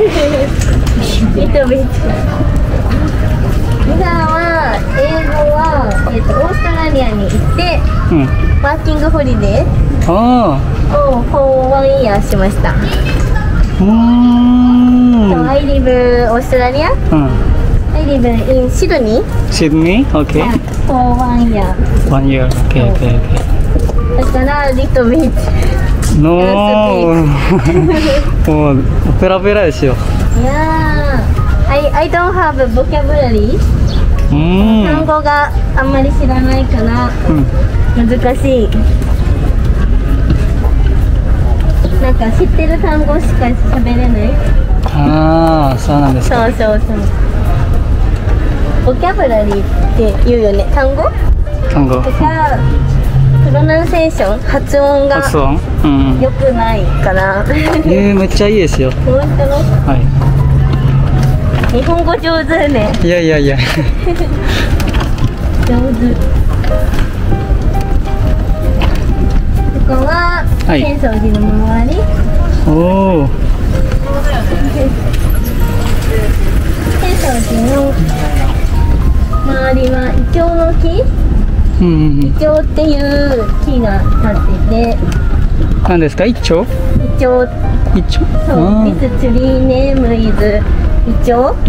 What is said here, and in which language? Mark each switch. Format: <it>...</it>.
<ja>ミサさんは英語は、オーストラリアに行って、うん、ワーキングホリデー？あを4ワンイヤーしました。うーん、</ja> <en>I live オーストラリア、</en> <ja>うん、</ja> <en>I live in シドニー。</en> <ja>シドニー、 OK、 4ワンイヤー。ワンイヤー、 OK、 OK、 OK。だからリトビッチノー。もうペラペラですよ。</ja> <en>いやー、 I don't have vocabulary。</en> <ja>単語があんまり知らないから、うん、難しい。なんか知ってる単語しか喋れない。ああ、そうなんですか。そうそうそう。ボキャブラリーって言うよね、単語？単語。とかプロナンセーション、発音が良くないから。うん、めっちゃいいですよ。本当の？はい。日本語上手ね。いやいやいや。上手。ここは。はい、浅草寺の周り。浅草寺の周りはイチョウの木、うんうんうん、イチョウっていう木が立ってて。何ですか、イチョウ？イチョウ、イチョウ、</ja> <en>そう、This tree name is イチョウ。</en>